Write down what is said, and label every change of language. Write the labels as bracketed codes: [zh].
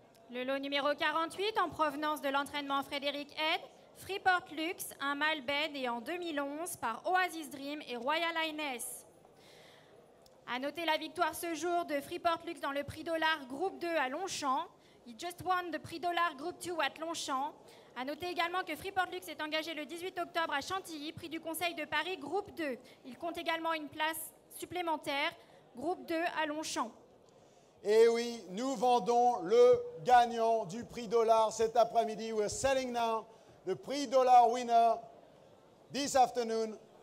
[fr] Le lot numéro 48, en provenance de l'entraînement Frédéric Head, Freeport Lux, un mâle bed et en 2011 par Oasis Dream et Royal Highness. A noter la victoire ce jour de Freeport Lux dans le Prix Dollar Group 2 à Longchamp. [en] He just won the Prix Dollar Group 2 at Longchamp. [fr] A noter également que Freeport Lux est engagé le 18 octobre à Chantilly, Prix du Conseil de Paris Group 2. Il compte également une place supplémentaire Group 2 à Longchamp. Et oui, nous vendons le gagnant du Prix Dollar cet après-midi. [en] We're selling now the Prix Dollar winner this afternoon.